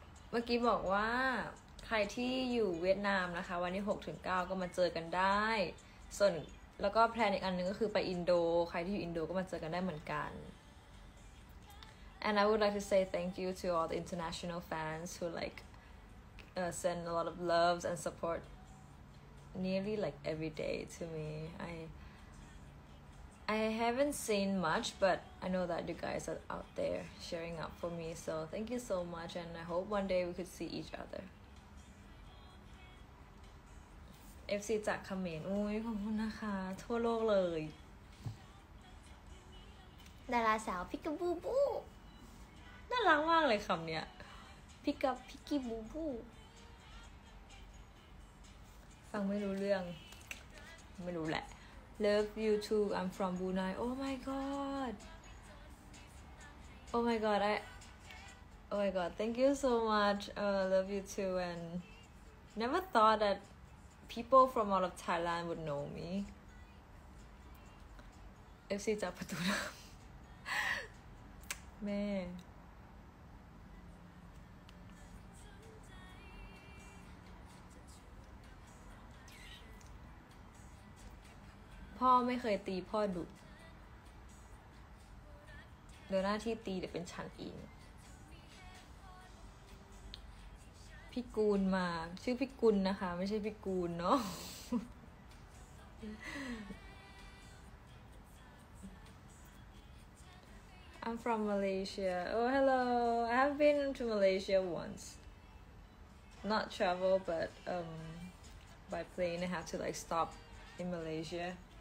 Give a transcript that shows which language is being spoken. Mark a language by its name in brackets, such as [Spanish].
[Thai] เมื่อกี้บอกว่าใครที่อยู่เวียดนามนะคะวันที่6ถึง9ก็มาเจอกันได้ส่วนแล้วก็แพลนอีกอันนึงก็คือไปอินโดใครที่อยู่อินโดก็มาเจอกันได้เหมือนกัน [English] And I would like to say thank you to all the international fans who like send a lot of loves and support nearly like every day to me. I haven't seen much, but I know that you guys are out there showing up for me. So thank you so much, and I hope one day we could see each other. [Thai] FC จากเขมรอุ้ยขอบคุณนะคะทั่วโลกเลยดาราสาวพิกาบูบูน่ารักมากเลยคำเนี้ยพิกาพิกิบูบูฟังไม่รู้เรื่องไม่รู้แหละ [English] Love you too. I'm from Brunei. Oh my god. Oh my god. Oh my god. Thank you so much. Love you too. And never thought that people from all of Thailand would know me. [Thai] FC จากประตูน้ำแม พ่อไม่เคยตีพ่อดุเดี๋ยวหน้าที่ตีเดี๋ยวเป็นฉันเอง พี่กูลมาชื่อพี่กุลนะคะไม่ใช่พี่กูลเนาะ [English] I'm from Malaysia. Oh, hello. I have been to Malaysia once. Not travel, but by plane. I have to like stop in Malaysia.